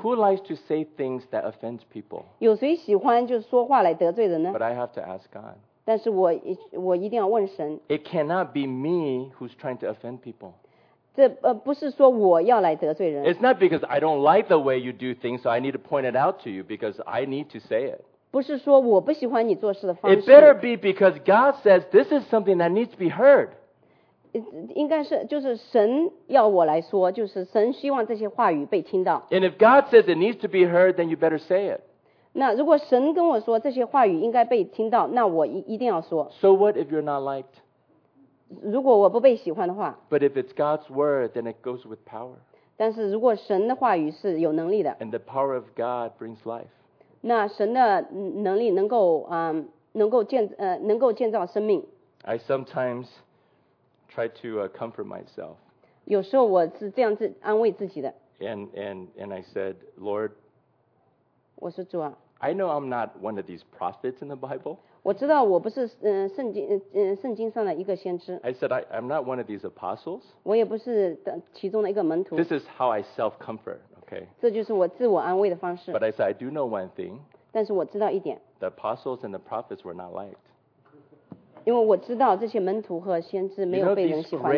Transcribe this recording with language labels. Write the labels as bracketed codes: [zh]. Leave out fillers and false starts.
[en] ？Who likes to say things that offends people? [zh] 有谁喜欢就说话来得罪人呢 [en] ？But I have to ask God. [zh] 但是我一定要问神。 [en] It cannot be me who's trying to offend people. [zh] 这不是说我要来得罪人。 [en] It's not because I don't like the way you do things, so I need to point it out to you because I need to say it. [zh] 不是说我不喜欢你做事的方式。 [en] It better be because God says this is something that needs to be heard. [zh] 应该是就是神要我来说，就是神希望这些话语被听到。 [en] And if God says it needs to be heard, then you better say it. [zh] 那如果神跟我说这些话语应该被听到，那我一定要说。 [en] So what if you're not liked? [zh] 如果我不被喜欢的话 [en] But if it's God's word, then it goes with power. [zh] 但是如果神的话语是有能力的 [en] And the power of God brings life. [zh] 那神的能力能够能够建造生命 [en] I sometimes try to comfort myself. [zh] 有时候我是这样子安慰自己的 [en] And I said, Lord, [zh] 我说主啊 [en] I know I'm not one of these prophets in the Bible. [zh] 我知道我不是圣经上的一个先知。 [en] I said I'm not one of these apostles. [zh] 我也不是其中的一个门徒。 [en] This is how I self-comfort, okay? [zh] 这就是我自我安慰的方式。 [en] But I said I do know one thing. [zh] 但是我知道一点。 [en] The apostles and the prophets were not liked. [zh] 因为我知道这些门徒和先知没有被人喜欢的。